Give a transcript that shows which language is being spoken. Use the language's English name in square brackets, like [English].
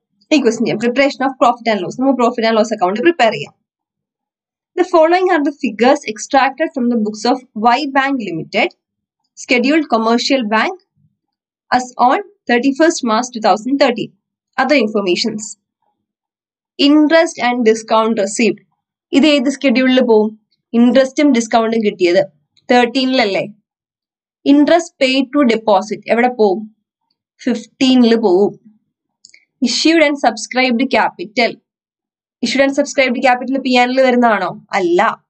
[Malayalam] ഈ ക്വസ്റ്റ്യൻ ചെയ്യാം, preparation of profit and loss. നമുക്ക് profit and loss account prepare ചെയ്യാം. [English] The following are the figures extracted from the books of Y bank limited scheduled commercial bank as on 31st March 2013. Other informations. Interest and discount received. [Malayalam] ഇത് ഏത് സ്കെഡ്യൂളിൽ പോവും? ഇൻട്രസ്റ്റും ഡിസ്കൗണ്ടും കിട്ടിയത് 13ലല്ലേ. Interest paid to deposit എവിടെ പോവും? 15ല് പോവും. Issued and subscribed capital, issued and subscribed capital P ആൻഡിൽ വരുന്നതാണോ? അല്ല.